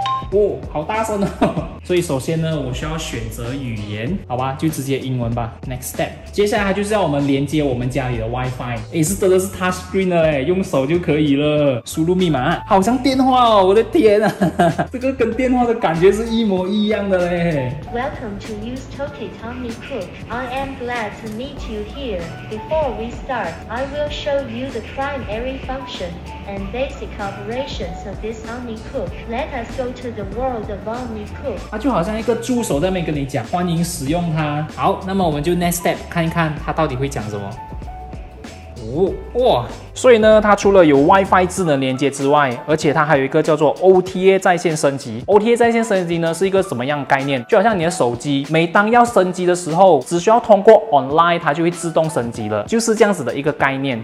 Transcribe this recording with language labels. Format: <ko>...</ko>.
<zh>哦，好大声哦。所以首先呢，我需要选择语言，好吧，就直接英文吧。</zh> <en>Next step，</en> <zh>接下来它就是要我们连接我们家里的 WiFi， 诶，是真的是</zh> <en>touch screen</en> <zh>的嘞，用手就可以了。输入密码，好像电话哦，我的天啊，这个跟电话的感觉是一模一样的嘞。</zh> <en>Welcome to use Tokit Omni Cook. I am glad to meet you here. Before we start, I will show you the primary function and basic operations of this Omni Cook. Let us go to the world of Omni Cook.</en> <zh>它就好像一个助手在那边跟你讲，欢迎使用它。好，那么我们就</zh> <en>next step</en> <zh>看一看它到底会讲什么。哇，所以呢，它除了有 WiFi 智能连接之外，而且它还有一个叫做 OTA 在线升级。 OTA 在线升级呢，是一个什么样的概念？就好像你的手机，每当要升级的时候，只需要通过 online， 它就会自动升级了，就是这样子的一个概念。</zh>